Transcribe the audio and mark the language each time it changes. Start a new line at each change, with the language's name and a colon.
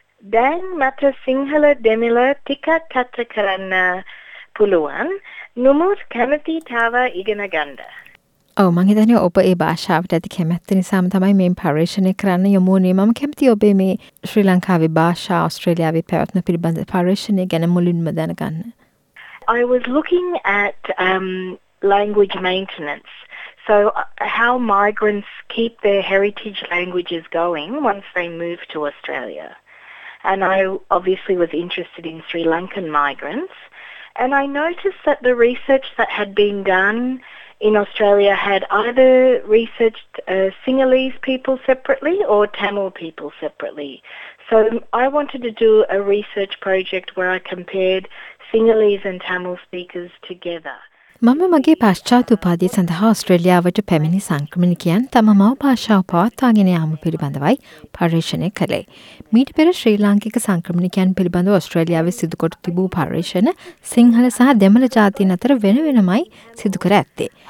Sinhala: දැන් මට සිංහල දෙමළ ටිකක් කතා කරන්න පුළුවන්. නමුත් කැමති තව ඉගෙන ගන්න. ඔව්, මං හිතන්නේ ඔබ ඒ භාෂාවට ඇති කැමැත්ත නිසාම තමයි මේ පර්යේෂණය කරන්න යොමු වුණේ. මම කැමති ඔබේ මේ ශ්‍රී ලංකාවේ භාෂා, ඔස්ට්‍රේලියාවේ පැවැත්ම පිළිබඳ පර්යේෂණය ගැන මුලින්ම දැනගන්න.
English: I was looking at language maintenance, so how migrants keep their heritage languages going once they move to Australia. And I obviously was interested in Sri Lankan migrants, and I noticed that the research that had been done in Australia had either researched Sinhalese people separately or Tamil people separately. So I wanted to do a research project where I compared Sinhalese and Tamil speakers together.
Sinhala: මම මගේ පශ්චාත් උපාධිය සඳහා ඔස්ට්‍රේලියාවට පැමිණි සංක්‍රමණිකයන් තම මව් භාෂාව පවත්වාගෙන යාම පිළිබඳවයි පර්යේෂණය කළේ. මීට පෙර ශ්‍රී ලාංකික සංක්‍රමණිකයන් පිළිබඳ ඔස්ට්‍රේලියාවේ සිදුකොට තිබූ පර්යේෂණ සිංහල සහ දෙමළ ජාතීන් අතර වෙන වෙනමයි සිදුකර ඇත්තේ.